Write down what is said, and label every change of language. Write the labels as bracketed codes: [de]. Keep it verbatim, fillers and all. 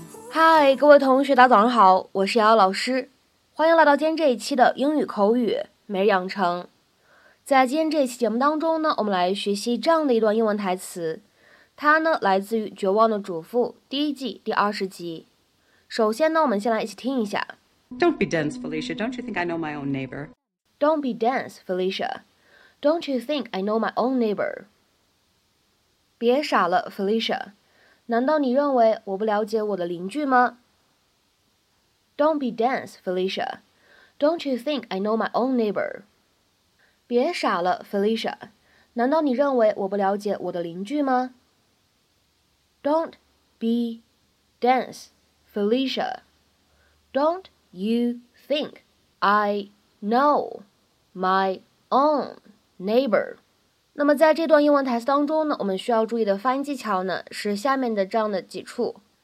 [zh] 嗨，各位同学，大家早上好，我是瑶瑶老师，欢迎来到今天这一期的英语口语每日养成。在今天这一期节目当中呢，我们来学习这样的一段英文台词，它呢来自于《绝望的主妇》第一季第二十集。首先呢，我们先来一起听一下。 [en] Don't be dense, Felicia. Don't you think I know my own neighbor? Don't be dense, Felicia. Don't you think I know my own neighbor? [zh] 别傻了 [en] ，Felicia。 [zh] 难道你认为我不了解我的邻居吗 ？ [en] Don't be dense, Felicia. Don't you think I know my own neighbor? [zh] 别傻了 ，Felicia. 难道你认为我不了解我的邻居吗 ？ [en] Don't be dense, Felicia. Don't you think I know my own neighbor? [zh] 那么在这段英文台词当中呢，我们需要注意的发音技巧呢是下面的这样的几处。